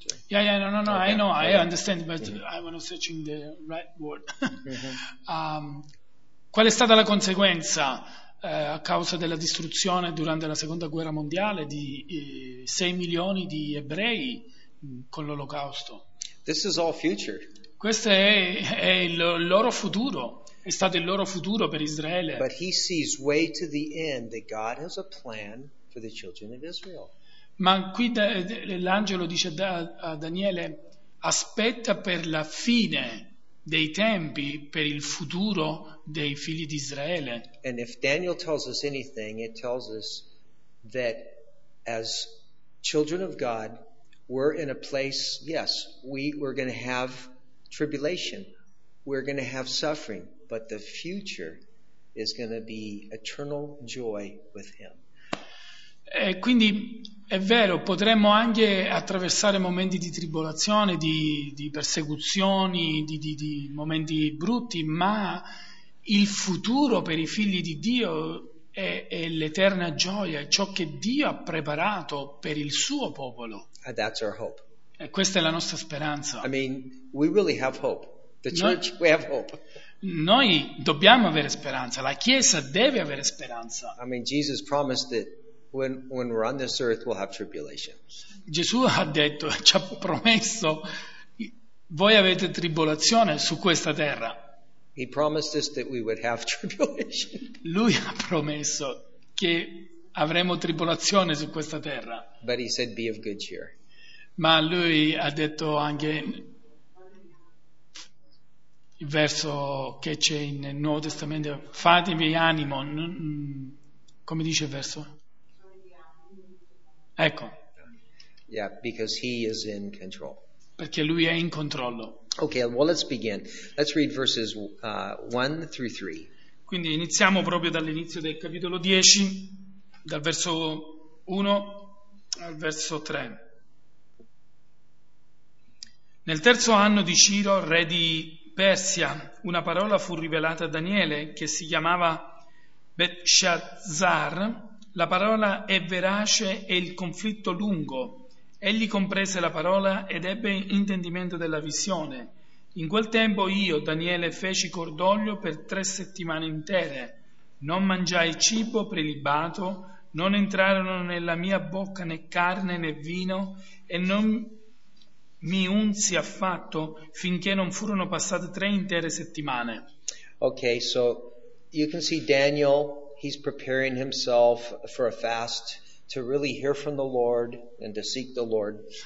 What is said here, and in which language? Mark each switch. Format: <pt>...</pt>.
<en>I know, I understand, but I was searching the right word.</en> <it>Qual è stata la conseguenza a causa della distruzione durante la Seconda Guerra Mondiale di 6 milioni di ebrei con l'Olocausto?</it> <en>This is all future.</en> <it>Questo è il loro futuro, è stato il loro futuro per Israele.</it> <en>But he sees way to the end that God has a plan for the children of Israel.</en> <it>Ma qui l'angelo dice a Daniele: aspetta per la fine dei tempi, per il futuro dei figli di Israele.</it> <en>And if Daniel tells us anything, it tells us that as children of God, we're in a place, yes, we're going to have tribulation, we're going to have suffering, but the future is going to be eternal joy with him.</en> <it>E quindi è vero, potremmo anche attraversare momenti di tribolazione, di persecuzioni, di momenti brutti, ma il futuro per i figli di Dio è l'eterna gioia, è ciò che Dio ha preparato per il suo popolo.</it> <en>And that's our hope.</en> <it>E questa è la nostra speranza.</it> <en>I mean, we really have hope. The church, we have hope.</en> <it>Noi dobbiamo avere speranza, la Chiesa deve avere speranza.</it> <en>I mean, Jesus promised that when we're on this earth, we'll have tribulation.</en> <it>Gesù ha detto, ci ha promesso, voi avete tribolazione su questa terra.</it> <en>He promised us that we would have tribulation.</en> <it>Lui ha promesso che avremo tribolazione su questa terra.</it> <en>But he said, be of good cheer.</en> <it>Ma lui ha detto anche, il verso che c'è nel Nuovo Testamento, fatevi animo, come dice il verso? Ecco.</it> <en>Yeah, because he is in control.</en> <it>Perché lui è in controllo.</it> <en>Okay, well let's begin. Let's read verses 1 through 3.</en> <it>Quindi iniziamo proprio dall'inizio del capitolo 10, dal verso 1 al verso 3. Nel terzo anno di Ciro, re di Persia, una parola fu rivelata a Daniele che si chiamava Belshazzar. La parola è verace e il conflitto lungo. Egli comprese la parola ed ebbe intendimento della visione. In quel tempo io, Daniele, feci cordoglio per 3 settimane intere. Non mangiai cibo prelibato, non entrarono nella mia bocca né carne né vino e non mi unsi affatto finché non furono passate 3 intere settimane.</it> <en>Ok, so you can see Daniel, he's preparing himself for a fast to really hear from the Lord and to seek the Lord.</en>